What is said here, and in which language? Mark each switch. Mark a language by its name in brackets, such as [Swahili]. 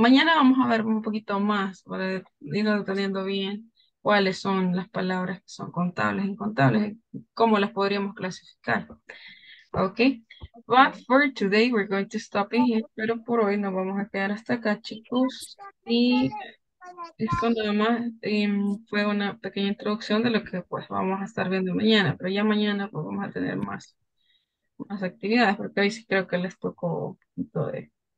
[Spanish] Mañana vamos a ver un poquito más para ir entendiendo bien cuáles son las palabras que son contables, incontables, cómo las podríamos clasificar. [English] Okay. But for today, we're going to stop in here. [Spanish] Pero por hoy nos vamos a quedar hasta acá, chicos. Y esto nada más fue una pequeña introducción de lo que pues vamos a estar viendo mañana, pero ya mañana pues vamos a tener más actividades, porque hoy sí creo que les tocó un poquito de